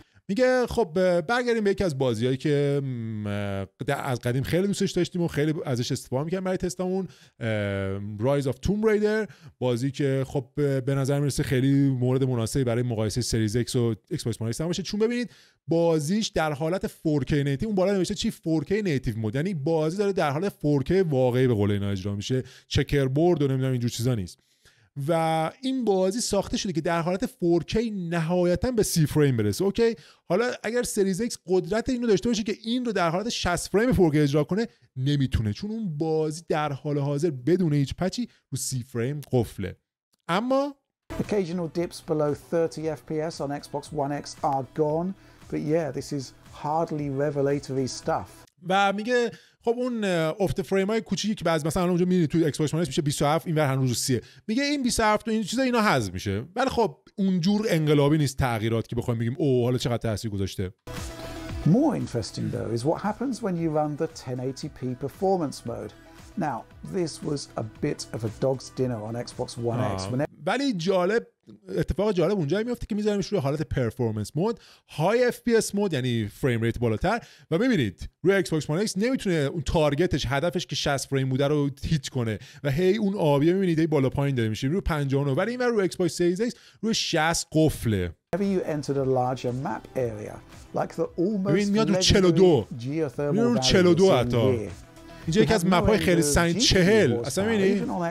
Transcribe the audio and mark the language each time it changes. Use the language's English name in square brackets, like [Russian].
[Persian] میگه خب برگردیم به یکی از بازیهایی که از قدیم خیلی دوستش داشتیم و خیلی ازش استفاده میکنم برای تستمون، Rise of Tomb Raider، بازی که خب به نظر میرسه خیلی مورد مناسبی برای مقایسه سریز X و Xbox One X هم باشه، چون ببینید بازیش در حالت 4K نیتیو، اون بالا نوشته چی 4K نیتیو مود، یعنی بازی داره در حال 4K واقعی به قول اینا اجرا میشه، چکربورد و نمیدونم اینجور چیزا نیست، و این بازی ساخته شده که در حالت 4K نهایتاً به 30 فریم برسه. اوکی، حالا اگر سریز ایکس قدرت اینو داشته باشه که این رو در حالت 60 فریم 4K اجرا کنه، نمیتونه، چون اون بازی در حال حاضر بدون هیچ پچی رو 30 فریم قفله. اما [English] occasional dips below 30 fps on Xbox One X are gone, but yeah, this is hardly revelatory stuff. [Persian] و میگه خب اون افت فریم های کوچیکی که بعض مثلا اونجا میبینی توی ایکس باکس وان ایکس میشه 27، اینور هنوز 30، میگه این 27 و این چیزا اینا حذف میشه، ولی خب اونجور انقلابی نیست تغییرات که بخوایم بگیم او حالا چقدر تاثیر گذاشته. [English] More interesting though is what happens when you run the 1080p performance mode. Now, this was a bit of a dog's dinner on Xbox One X. [Persian] ولی جالب، اتفاق جالب اونجایی میفته که میذاریمش روی حالت پرفورمنس مود، های اف پی اس مود، یعنی فریم ریت بالاتر، و میبینید روی ایکس باکس وان ایکس نمیتونه اون تارگتش، هدفش که 60 فریم بوده رو هیت کنه و هی اون آبیه میبینید هی بالا پایین داره میشه روی 59، ولی اینور روی ایکس باکس سریز ایکس روی 60 قفله. [English] Have you entered a larger map area like the almost [Persian] 42 geothermal 42 اینجا یکی از مپ های خیلی سنگین 40 اصلا میبینی